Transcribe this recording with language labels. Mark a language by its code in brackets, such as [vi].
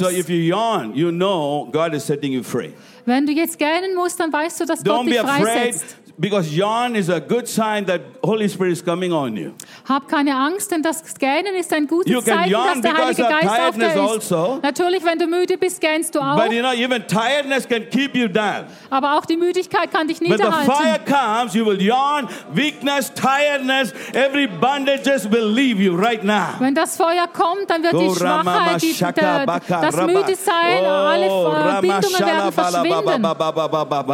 [en] So if you yawn, you know God is setting you free. [de] Wenn du jetzt gähnen musst, dann weißt du, dass Gott dich freisetzt. [en] Don't be afraid, because yawn is a good sign that Holy Spirit is coming on you. [de] Hab keine Angst, denn das Gähnen ist ein gutes Zeichen, dass der Heilige Geist auf dir ist. Also, natürlich, wenn du müde bist, gähnst du auch. [en] But you know, even tiredness can keep you down. [de] Aber auch die Müdigkeit kann dich niederhalten. [en] When the fire comes, you will yawn, weakness, tiredness, every bandages will leave you right now. [de] Wenn das Feuer kommt, dann wird die Schwachheit, das müde sein, alle Bindungen werden verschwinden.